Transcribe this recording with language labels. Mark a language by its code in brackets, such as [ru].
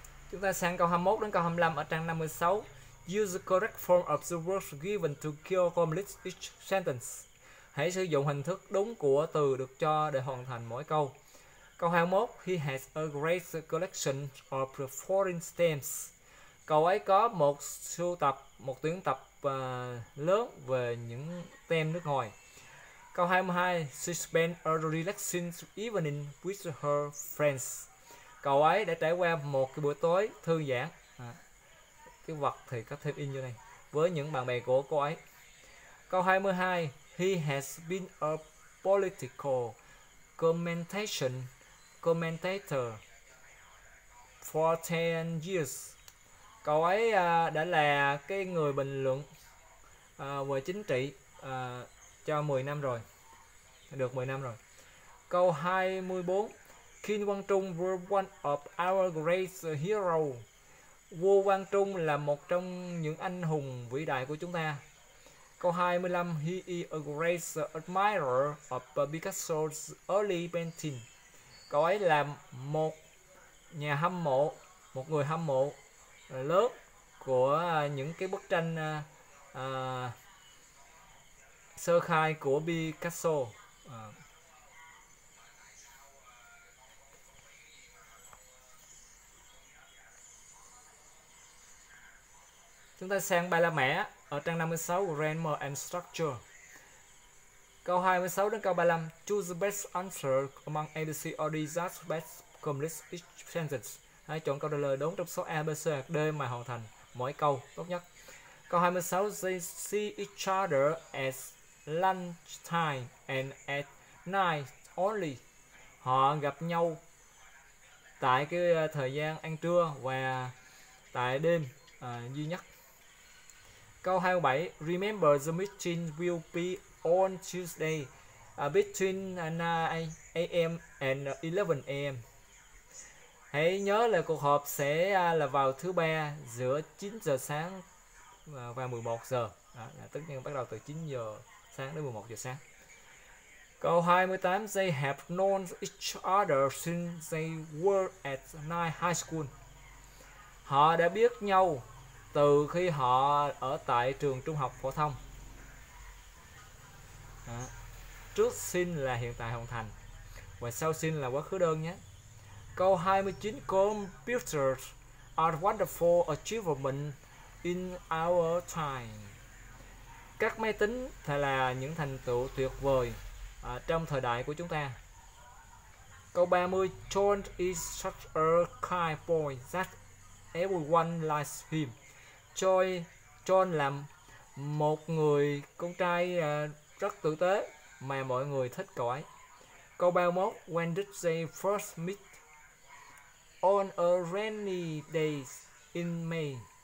[vi] Chúng ta sang câu 21 đến câu 25 ở trang 56. [en] Use the correct form of the words given to complete each sentence. [vi] Hãy sử dụng hình thức đúng của từ được cho để hoàn thành mỗi câu. [en] Câu 21, he has a great collection of foreign stamps. [vi] Cậu ấy có một sưu tập, một tuyển tập lớn về những tem nước ngoài. [en] Câu 22, she spent a relaxing evening with her friends. [vi] Cậu ấy đã trải qua một cái buổi tối thư giãn. À, cái vật thì có thêm in vô này với những bạn bè của cô ấy. [en] Câu 22, he has been a political commentator for 10 years. [vi] Cậu ấy đã là cái người bình luận về chính trị cho 10 năm rồi. Được 10 năm rồi. Câu 24. [en] Kim Quang Trung was one of our great heroes. [vi] Vua Quang Trung là một trong những anh hùng vĩ đại của chúng ta. Câu 25. [en] He is a great admirer of Picasso's early painting. [vi] Cậu ấy là một nhà hâm mộ, một người hâm mộ lớn của những cái bức tranh sơ khai của Picasso. Chúng ta sang bài La Mã ở trang 56, [en] Grammar and Structure. [vi] Câu 26 đến câu 35. [en] Choose the best answer among A, B, C, or D. That's best complete each sentence. [vi] Hãy chọn câu trả lời đúng trong số A, B, C, D mà hoàn thành mỗi câu tốt nhất. Câu 26. [en] They see each other at lunchtime and at night only. [vi] Họ gặp nhau tại cái thời gian ăn trưa và tại đêm duy nhất. Câu 27. [en] Remember the meeting will be on Tuesday between 9 a.m. and 11 a.m. [vi] Hãy nhớ là cuộc họp sẽ là vào thứ ba giữa 9 giờ sáng và 11 giờ. Đó, tất nhiên bắt đầu từ 9 giờ sáng đến 11 giờ sáng. Câu 28. [en] They have known each other since they were at night high school. [vi] Họ đã biết nhau từ khi họ ở tại trường trung học phổ thông. Trước xin là hiện tại hoàn thành và sau xin là quá khứ đơn nhé. Câu 29. [en] Computers are wonderful achievement in our time. [vi] Các máy tính thì là những thành tựu tuyệt vời trong thời đại của chúng ta. Câu 30. [en] John is such a kind boy that everyone likes him. [vi] John là một người con trai rất tử tế mà mọi người thích cậu ấy. Câu 31. [en] When did they first meet? On a rainy day in May.